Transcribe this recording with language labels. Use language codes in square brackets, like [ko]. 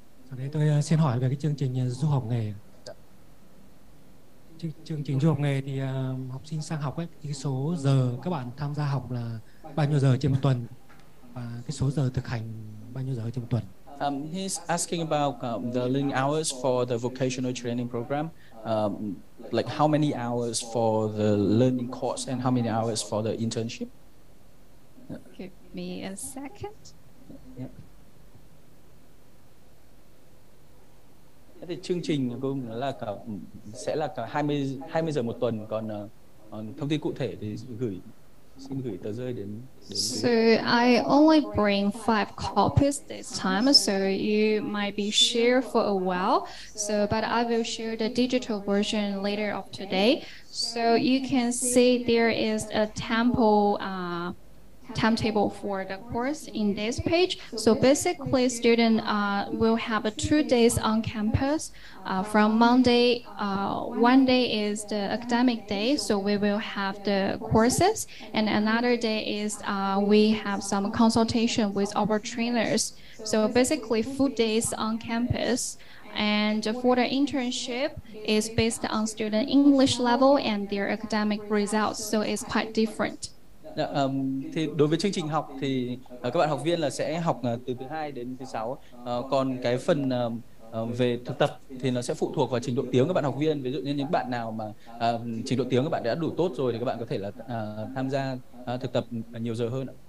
[vi] Sau đây tôi xin hỏi về cái chương trình du học nghề. Chương trình du học nghề thì học sinh sang học ấy, thì cái số giờ các bạn tham gia học là bao nhiêu giờ trên một tuần, và cái số giờ thực hành bao nhiêu giờ trên một tuần? [en] He's asking about the learning hours for the vocational training program. Like how many hours for the learning course and how many hours for the internship? Give me a second. Yeah. [vi] Thì chương trình cũng là cả, sẽ là cả 20 giờ một tuần, còn thông tin cụ thể thì xin gửi tờ rơi đến. [en] So I only bring 5 copies this time, so you might be share for a while. So but I will share the digital version later of today. So you can see there is a timetable for the course in this page. So basically students will have 2 days on campus from Monday. One day is the academic day, so we will have the courses, and another day is we have some consultation with our trainers. So basically 4 days on campus. And for the internship is based on student English level and their academic results, so it's quite different. [vi] Thì đối với chương trình học thì các bạn học viên là sẽ học từ thứ hai đến thứ sáu. Còn cái phần về thực tập thì nó sẽ phụ thuộc vào trình độ tiếng các bạn học viên. Ví dụ như những bạn nào mà trình độ tiếng các bạn đã đủ tốt rồi thì các bạn có thể là tham gia thực tập nhiều giờ hơn.